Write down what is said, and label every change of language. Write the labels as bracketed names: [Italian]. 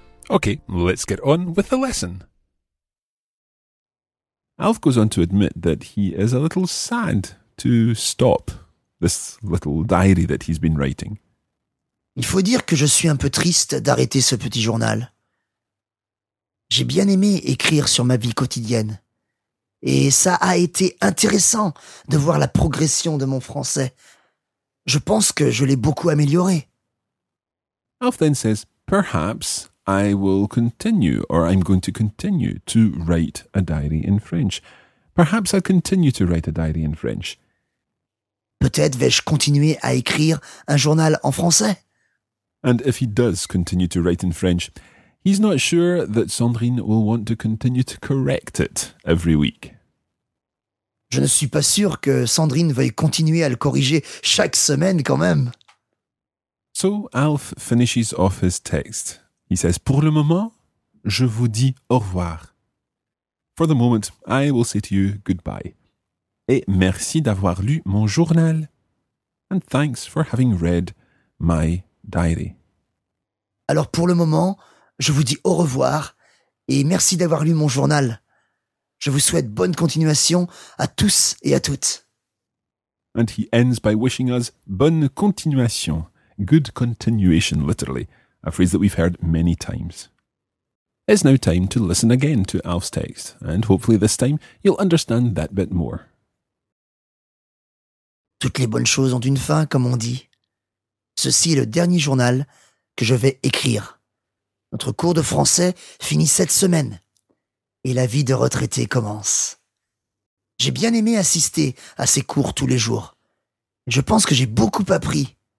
[English] Okay, let's get on with the lesson. Alf goes on to admit that he is a little sad to stop this little diary that he's been writing. [French] Il faut dire que je suis un peu triste d'arrêter ce petit journal. J'ai bien aimé écrire sur ma vie quotidienne. Et ça a été intéressant de voir la progression de mon français. Je pense que je l'ai beaucoup amélioré. [English] Alf then says, perhaps I will continue, or I'm going to continue, to write a diary in French. Perhaps I'll continue to write a diary in French. [French] Peut-être vais-je continuer à écrire un journal en français. [English] And if he does continue to write in French, he's not sure that Sandrine will want to continue to correct it every week. [French] Je ne suis pas sûr que Sandrine veuille continuer à le corriger chaque semaine quand même. [English] So Alf finishes off his text. He says, [French] pour le moment, je vous dis au revoir. [English] For the moment, I will say to you goodbye. [French] Et merci d'avoir lu mon journal. [English] And thanks for having read my diary. [French] Alors pour le moment, je vous dis au revoir et merci d'avoir lu mon journal. Je vous souhaite bonne continuation à tous et à toutes. [English] And he ends by wishing us [French] bonne continuation, [English] good continuation literally. A phrase that we've heard many times. It's now time to listen again to Alf's text, and hopefully this time you'll understand that bit more. [French] Toutes les bonnes choses ont une fin, comme on dit. Ceci est le dernier journal que je vais écrire. Notre cours de français finit cette semaine, et la vie de retraité commence. J'ai bien aimé assister à ces cours tous les jours. Je pense que j'ai beaucoup appris.